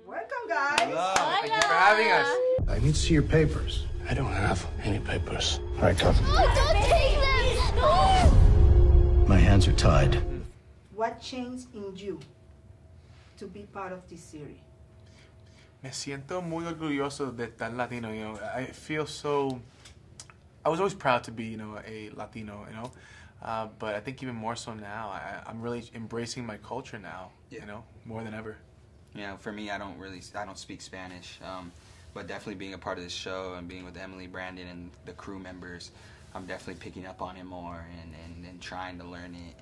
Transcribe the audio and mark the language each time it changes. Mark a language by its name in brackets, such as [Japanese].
[English] Welcome, guys. Hello. Hello. Thank you for having us. I need to see your papers. I don't have any papers. All right, come. Oh, don't take them! No! My hands are tied. What changed in you to be part of this series? [Spanish] Me siento muy orgulloso de estar Latino, [English] you know. I feel so... I was always proud to be, you know, a Latino, you know. But I think even more so now, I'm really embracing my culture now, yeah. You know, more than ever. Yeah, for me, I don't speak Spanish. But definitely being a part of this show and being with Emily, Brandon, and the crew members, I'm definitely picking up on it more and trying to learn it.